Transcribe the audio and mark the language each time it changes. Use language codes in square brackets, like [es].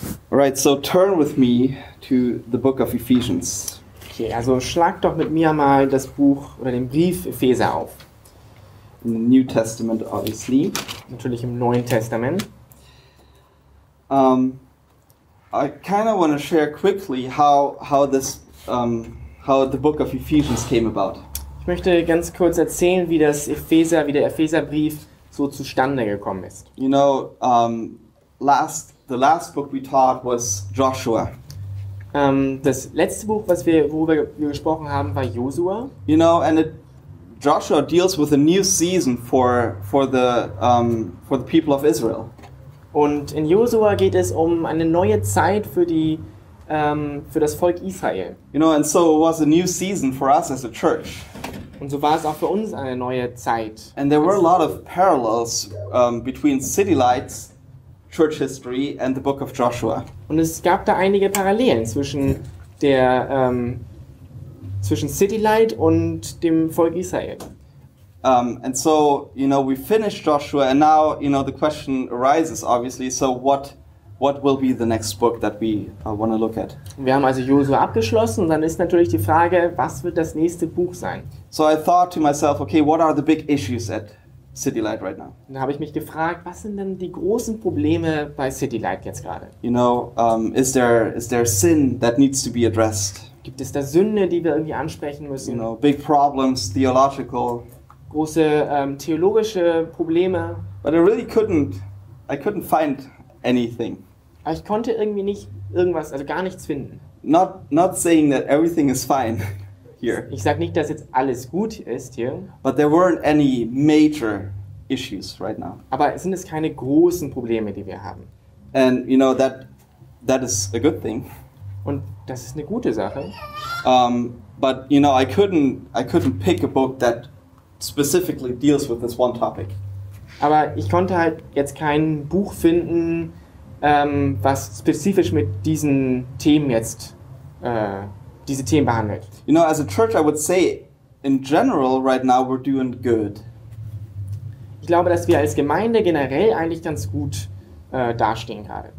[en] Right, so turn with me to the book of Ephesians. [de] Okay, also schlag doch mit mir mal das Buch oder den Brief Epheser auf. [en] In the New Testament, obviously. [de] Natürlich im Neuen Testament. [en] I kind of want to share quickly how the book of Ephesians came about. [de] Ich möchte ganz kurz erzählen, wie das Epheser, wie der Epheserbrief so zustande gekommen ist. [en] You know, the last book we taught was Joshua. [de] Das letzte Buch, was wir, worüber wir gesprochen haben, war Josua. [en] You know, and it, Joshua deals with a new season for the people of Israel. [de] Und in Josua geht es um eine neue Zeit für die für das Volk Israel. [en] You know, and so it was a new season for us as a church. [de] Und so war es auch für uns eine neue Zeit. [en] And there were a lot of parallels between City Lights. Church history and the book of Joshua. [de] Und es gab da einige Parallelen zwischen der zwischen City Light und dem Volk Israel. [en] And so, you know, we finished Joshua and now, you know, the question arises obviously, so what will be the next book that we want to look at? [de] Wir haben also Josua abgeschlossen und dann ist natürlich die Frage, was wird das nächste Buch sein? [en] So I thought to myself, okay, what are the big issues at City Light right now. [de] Dann habe ich mich gefragt, was sind denn die großen Probleme bei City Light jetzt gerade? [en] You know, is there sin that needs to be addressed? [de] Gibt es da Sünde, die wir irgendwie ansprechen müssen? [en] You know, big problems, theological. [de] Große theologische Probleme. [en] But I really couldn't, find anything. [de] Aber ich konnte irgendwie nicht irgendwas, also gar nichts finden. [en] Not saying that everything is fine. Here. [de] Ich sag nicht, dass jetzt alles gut ist hier. [en] But there weren't any major issues right now. [de] Aber sind es keine großen Probleme, die wir haben? [en] And you know that is a good thing. [de] Und das ist eine gute Sache. [en] But you know I couldn't pick a book that specifically deals with this one topic. [de] Aber ich konnte halt jetzt kein Buch finden, was spezifisch mit diesen Themen jetzt diese Themen behandelt. [en] You know, as a church, I would say, in general, right now, we're doing good. [de] Ich glaube, dass wir als Gemeinde generell eigentlich ganz gut dastehen gerade.